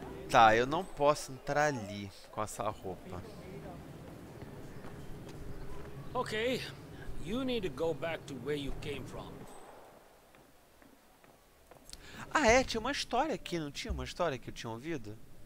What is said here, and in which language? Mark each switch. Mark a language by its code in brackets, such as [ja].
[pt] Tá, eu não posso entrar ali com essa roupa. Ok. [en] You need to go back to where you came from. [pt] Ah, é, tinha uma história aqui, não tinha uma história que eu tinha ouvido?